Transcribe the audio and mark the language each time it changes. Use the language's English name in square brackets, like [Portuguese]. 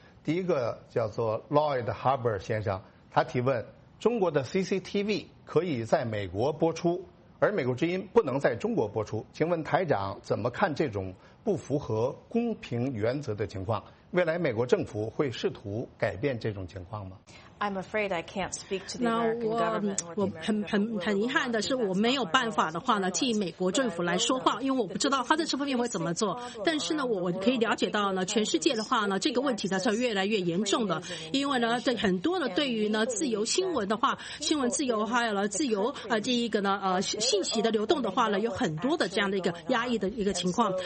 [Chinese] 第一个叫做 Lloyd Harbour 先生，他提问：中国的 CCTV 可以在美国播出，而美国之音不能在中国播出，请问台长怎么看这种不符合公平原则的情况？未来美国政府会试图改变这种情况吗？ [English] I'm afraid I can't speak to the American government. [Chinese] 我很遗憾的是，我没有办法的话呢，替美国政府来说话，因为我不知道他在这方面会怎么做。但是呢，我可以了解到呢，全世界的话呢，这个问题它是越来越严重的。因为呢，对很多的对于呢自由新闻的话，新闻自由还有了自由这一个呢信息的流动的话呢，有很多的这样的一个压抑的一个情况。